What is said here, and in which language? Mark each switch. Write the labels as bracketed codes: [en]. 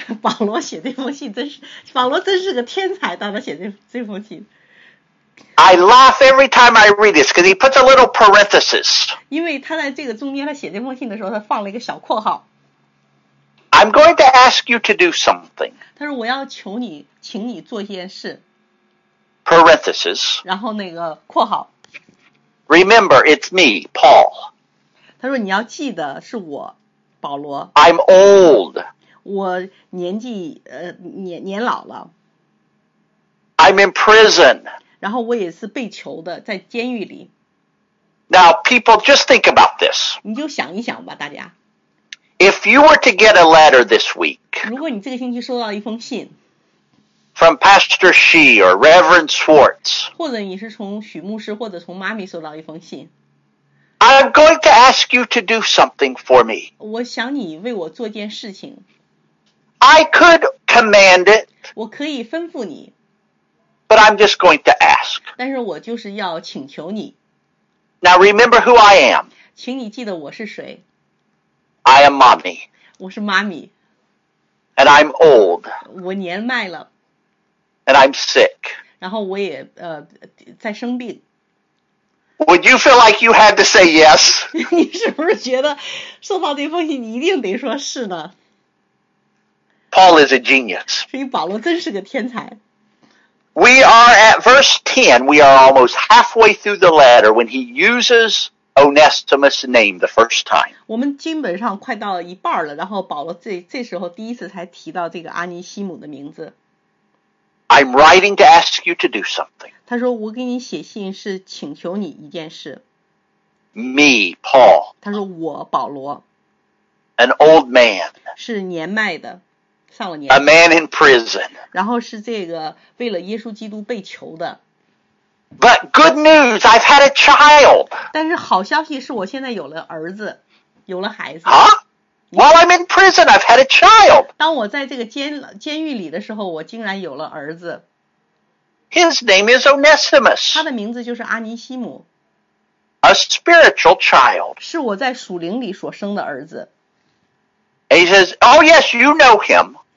[zh] 保罗写这封信真是，保罗真是个天才，当他写这封信。 [en] I laugh every time I read this because he puts a little parenthesis. [zh] 因为他在这个中间，他写这封信的时候，他放了一个小括号。 [en] I'm going to ask you to do something. [zh] 他说我要求你，请你做一件事。 [en] Parenthesis. [zh] 然后那个括号。 [en] Remember, it's me, Paul. [zh] 他说你要记得是我，保罗。 [en] I'm old. [zh] 我年纪年老了。 [en] I'm in prison. [zh] 然后我也是被囚的，在监狱里。 [en] Now, people, just think about this. [zh] 你就想一想吧，大家。 [en] If you were to get a letter this week. [zh] 如果你这个星期收到一封信。 [en] From Pastor Xi or Reverend Swartz. [zh] 或者你是从许牧师或者从妈咪收到一封信。 [en] I'm going to ask you to do something for me. [zh] 我想你为我做件事情。 [en] I could command it. [zh] 我可以吩咐你。 [en] But I'm just going to ask. [zh] 但是我就是要请求你。 [en] Now remember who I am. [zh] 请你记得我是谁。 [en] I am mommy. [zh] 我是妈咪。 [en] And I'm old. [zh] 我年迈了。 [en] And I'm sick. [zh] 然后我也在生病。 [en] Would you feel like you had to say yes? [zh] 你是不是觉得收到这封信你一定得说是呢？ [en] Paul is a genius. [zh] 所以保罗真是个天才。 [en] We are at verse 10. We are almost halfway through the letter when he uses Onesimus' name the first time. [zh] 我们基本上快到一半了，然后保罗这时候第一次才提到这个阿尼西姆的名字。 [en] I'm writing to ask you to do something. [zh] 他说我给你写信是请求你一件事。 [en] Me, Paul. [zh] 他说我保罗。 [en] An old man. [zh] 是年迈的，上了年。 [en] A man in prison. [zh] 然后是这个为了耶稣基督被囚的。 [en] But good news, I've had a child. [zh] 但是好消息是我现在有了儿子，有了孩子。 [en] Huh? While I'm in prison, I've had a child. [zh] 当我在这个监狱里的时候，我竟然有了儿子。 [en] His name is Onesimus. [zh] 他的名字就是阿尼西姆。 [en] A spiritual child. [zh] 是我在属灵里所生的儿子。 [en] He says, "Oh yes, you know him."